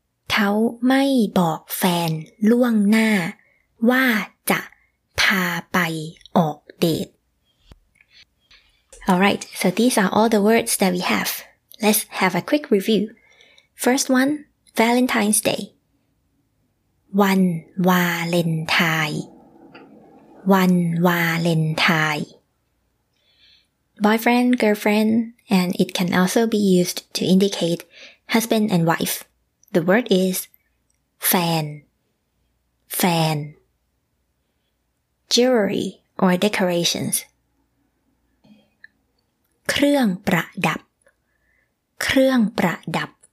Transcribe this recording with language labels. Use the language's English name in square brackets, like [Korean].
[Thai] เขาไม่บอกแฟนล่วงหน้าว่าจะพาไปออกเดท [English] Alright, so these are all the words that we have. Let's have a quick review. First one, Valentine's Day. [Thai] วันวาเลนไทน์วันวาเลนไทน์ [English] Boyfriend, girlfriend, and it can also be used to indicate husband and wife. The word is fan, fan. Jewelry or decorations. [Thai] เครื่องประดับ เครื่องประดับ